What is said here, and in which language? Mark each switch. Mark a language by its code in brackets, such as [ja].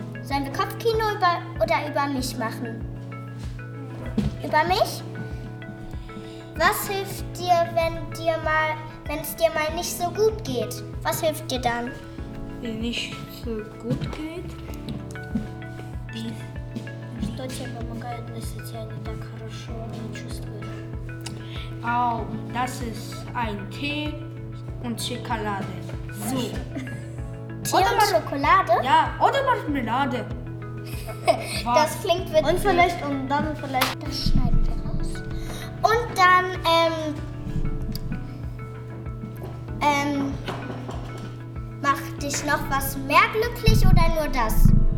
[de] Sollen wir Kopfkino über mich machen? Über mich? Was hilft dir, wenn es dir mal nicht so gut geht? Was hilft dir dann? Wenn es nicht so gut geht? [ru] Что тебе помогает на сцене так хорошо чувствовать? [de] Oh, das ist ein Tee und Schokolade. So. Oder Marmelade? Ja, oder Marmelade. Das klingt witzig. Und dann vielleicht. Das schneiden wir raus. Und dann, macht dich noch was mehr glücklich oder nur das?